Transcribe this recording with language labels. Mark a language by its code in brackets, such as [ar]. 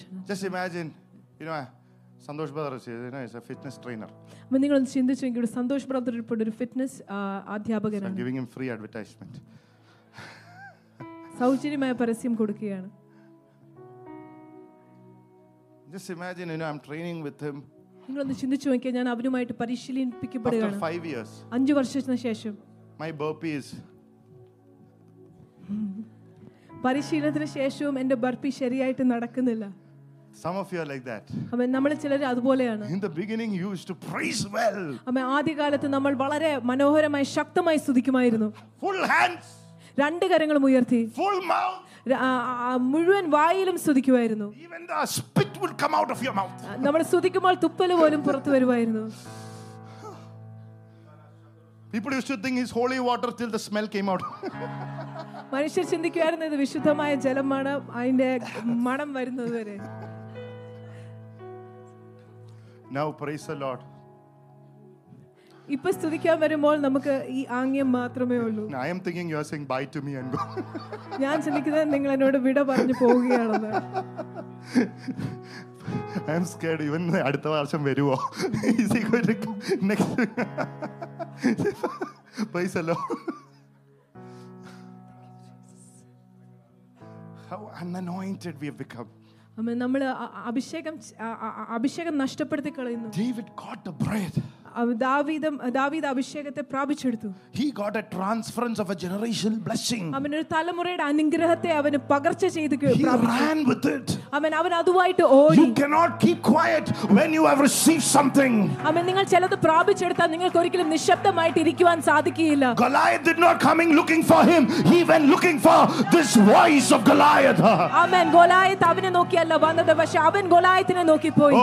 [en] Just imagine, you know, Santosh brother is, you know, he's a fitness trainer. When you guys think that you're Santosh brother is a fitness adhyapakan, I'm giving him free advertisement. [ml] സൗജന്യമായ പരസ്യം കൊടുക്കുകയാണ്. [en] Just imagine, you know, I'm training with him. [ml] നിങ്ങൾ ചിന്തിച്ചു നോക്കിയാൽ ഞാൻ അവനുമായിട്ട് പരിശീലിപ്പിക്കപ്പെടുകയാണ്. [en] After 5 years. [ml] 5 വർഷത്തിന് ശേഷം. [en] My burpee is. [ml] പരിശീലനത്തിന് ശേഷവും എന്റെ ബർപ്പി ശരിയായിട്ട് നടക്കുന്നില്ല. [en] Some of you are like that. [ml] Amen. നമ്മളെ ചിലർ അതുപോലെയാണ്. [en] In the beginning you used to praise well. Amen. [ml] ആദികാലത്തെ നമ്മൾ വളരെ മനോഹരമായി ശക്തമായി സ്തുതിക്കുമായിരുന്നു. [en] Full hands. [ml] രണ്ട് കരങ്ങളും ഉയർത്തി. [en] Full mouth. [ml] മുഴുവൻ വായിലും സ്തുതിക്കുമായിരുന്നു. [en] Even the spit would come out of your mouth. [ml] നമ്മൾ സ്തുതിക്കുമ്പോൾ തുപ്പല് പോലും പുറത്തു വരുമായിരുന്നു. [en] People used to think it's holy water till the smell came out. [ml] മനുഷ്യർ ചിന്തിക്കുമായിരുന്നു ഇത് വിശുദ്ധമായ ജലമാണ്, അതിന്റെ മണം വരുന്നത് വരെ. [en] Now praise the Lord. [ml] ഇപ്പോ സ്തുതിക്കാൻ വരുമ്പോൾ നമുക്ക് ഈ ആംഗ്യം മാത്രമേ ഉള്ളൂ. [en] I am thinking you are saying bye to me and go. [ml] ഞാൻ ചിന്തിക്കുന്നത് നിങ്ങൾ എന്നോട് വിട പറഞ്ഞു പോവുകയാണെന്ന്. [en] I am scared even [ml] അടുത്ത വർഷം വരുമോ. [en] Is he going to come next? Praise the Lord. How unanointed we have become. [ml] അമ്മേ നമ്മൾ അഭിഷേകം അഭിഷേകം നഷ്ടപ്പെടുത്തി കളയുന്നു. [en] David got the bread. [ml] ദാവീദ് അഭിഷേകത്തെ പ്രാപിച്ചെടുത്തു. [en] He got a transference of a generational blessing. [ml] അവൻ ഒരു തലമുറയുടെ അനുഗ്രഹത്തെ അവൻ പകർച്ച ചെയ്തു പ്രാപിച്ചു. അവൻ അതുമായിട്ട് ഓടി. [en] You cannot keep quiet when you have received something. [ml] അമ്മേ നിങ്ങൾ ചിലത് പ്രാപിച്ചെടുത്താൽ നിങ്ങൾക്ക് ഒരിക്കലും നിശബ്ദമായിട്ട് ഇരിക്കുവാൻ സാധിക്കില്ല. [en] Goliath did not coming looking for him. He went looking for this voice of Goliath. [ml] അമ്മേ ഗോലിയാത്ത് അവനെ നോക്കിയല്ല വന്നത്, പക്ഷെ അവൻ ഗോലിയാത്തിനെ നോക്കി പോയി.